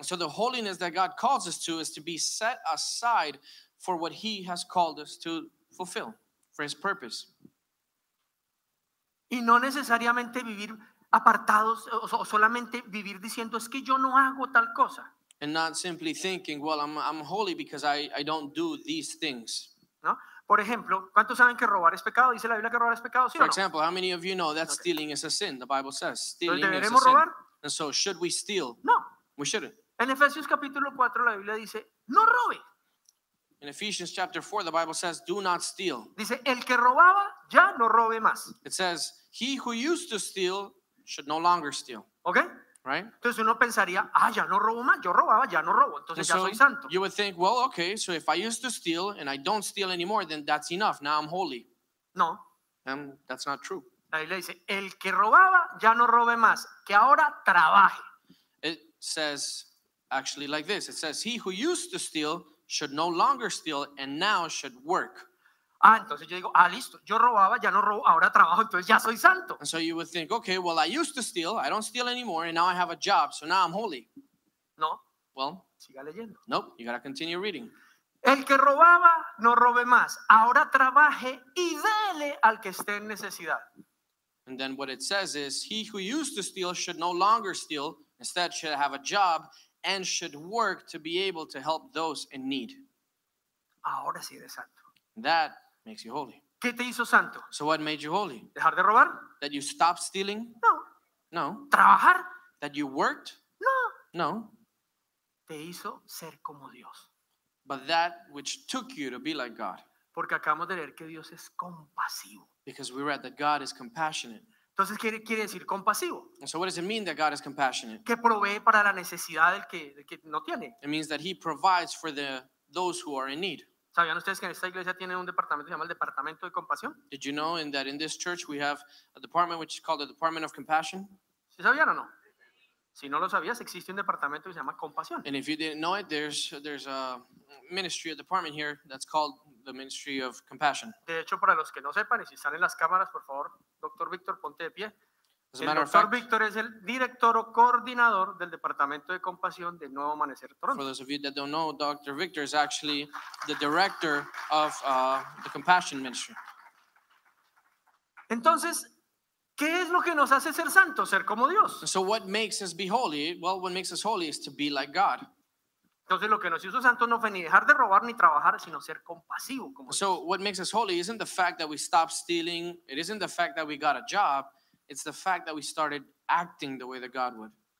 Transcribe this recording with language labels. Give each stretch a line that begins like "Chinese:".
English: So the holiness that God calls us to is to be set aside for what He has called us to fulfill, for His purpose.
Spanish: Y no necesariamente vivir apartados o solamente vivir diciendo, es que yo no hago tal cosa.
English: And not simply thinking, well, I'm holy because I don't do these things. ¿No?
Spanish: Por ejemplo, ¿cuántos saben que robar es pecado? Dice la Biblia que robar es pecado, ¿sí o no?
English: For example, how many of you know that stealing is a sin? The Bible says stealing is a sin.
Spanish: ¿Deberemos robar?
English: And so, should we steal?
Spanish: No.
English: We shouldn't.
Spanish: En Efesios capítulo 4, la Biblia dice, no robe.
English: In Ephesians chapter 4, the Bible says, do not steal.
Spanish: Dice, el que robaba, ya no robe más.
English: It says, he who used to steal, should no longer steal. Okay. Right?
Spanish: Entonces uno pensaría, ah, ya no robo más, yo robaba, ya no robo, entonces
English: so
Spanish: ya soy santo.
English: You would think, well, okay, so if I used to steal and I don't steal anymore, then that's enough. Now I'm holy.
Spanish: No.
English: And that's not true.
Spanish: Ahí le dice, el que robaba ya no robe más, que ahora trabaje.
English: It says actually like this. It says, he who used to steal should no longer steal and now should work.
Spanish: Ah, entonces yo digo, ah, listo, yo robaba, ya no robo, ahora trabajo, entonces ya soy santo.
English: And so you would think, okay, well, I used to steal, I don't steal anymore, and now I have a job, so now I'm holy.
Spanish: No.
English: Well,
Spanish: siga leyendo.
English: Nope, you gotta continue reading.
Spanish: El que robaba, no robe más, ahora trabaje y dele al que esté en necesidad.
English: And then what it says is, he who used to steal should no longer steal, instead should have a job, and should work to be able to help those in need.
Spanish: Ahora sí eres santo.
English: That makes you holy.
Spanish: ¿Qué te hizo santo?
English: So what made you holy?
Spanish: ¿Dejar de robar?
English: That you stopped stealing?
Spanish: No.
English: No.
Spanish: ¿Trabajar?
English: That you worked?
Spanish: No.
English: No.
Spanish: Te hizo ser como Dios.
English: But that which took you to be like God.
Spanish: Porque acabamos de leer que Dios es compasivo.
English: Because we read that God is compassionate.
Spanish: Entonces, ¿qué quiere decir compasivo?
English: And so what does it mean that God is compassionate?
Spanish: Que provee para la necesidad del que no tiene.
English: It means that he provides for those who are in need.
Spanish: ¿Sabían ustedes que en esta iglesia tiene un departamento que se llama el Departamento de Compasión?
English: Did you know that in this church we have a department which is called the Department of Compassion?
Spanish: ¿Sí sabían o no? Si no lo sabías, existe un departamento que se llama Compasión.
English: And if you didn't know it, there's a ministry, a department here that's called the Ministry of Compassion.
Spanish: De hecho, para los que no sepan, y si están en las cámaras, por favor, Dr. Víctor, ponte de pie.
English: As a matter of fact,
Spanish: Dr. Víctor es el director o coordinador del Departamento de Compasión de Nuevo Amanecer Toronto.
English: For those of you that don't know, Dr. Víctor is actually the director of the Compassion Ministry.
Spanish: Entonces, ¿qué es lo que nos hace ser santos, ser como Dios?
English: So what makes us be holy? Well, what makes us holy is to be like God.
Spanish: Entonces, lo que nos hizo santos no fue ni dejar de robar ni trabajar, sino ser compasivo como Dios.
English: So what makes us holy isn't the fact that we stopped stealing. It isn't the fact that we got a job. It's the fact that we started acting the way that God would.